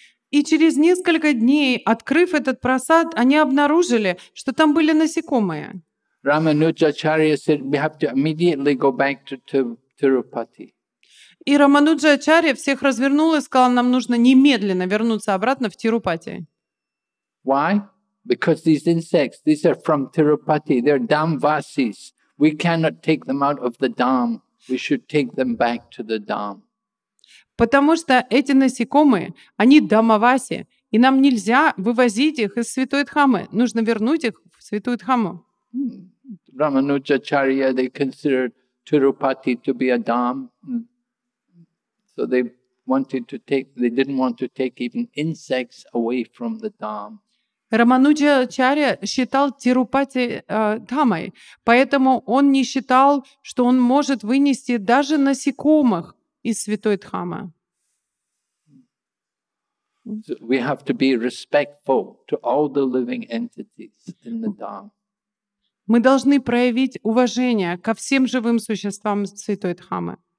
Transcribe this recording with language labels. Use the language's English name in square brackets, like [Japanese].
[Russian] И через несколько дней, открыв этот прасад, они обнаружили, что там были насекомые. [English] Рамануджачарья said, we have to immediately go back to Тирупати. [Russian] И Рамануджачарья всех развернул и сказал, нам нужно немедленно вернуться обратно в Тирупати. [English] Why? Because these insects, these are from Tirupati, they're Dhamvasis. We cannot take them out of the Dham. We should take them back to the Dham. [Russian] Потому что эти насекомые, они Дамаваси, и нам нельзя вывозить их из Святой Дхамы. Нужно вернуть их в Святую Дхаму. [English] Рамануджачарья, they considered Tirupati to be a Dham. So they wanted to take, they didn't want to take even insects away from the Dham. [Russian] Рамануджачарья считал Тирупати Дхамой, поэтому он не считал, что он может вынести даже насекомых из Святой Дхамы. [English] So we have to be respectful to all the living entities in the Dham. [Russian] Мы должны проявить уважение ко всем живым существам Святой Дхамы.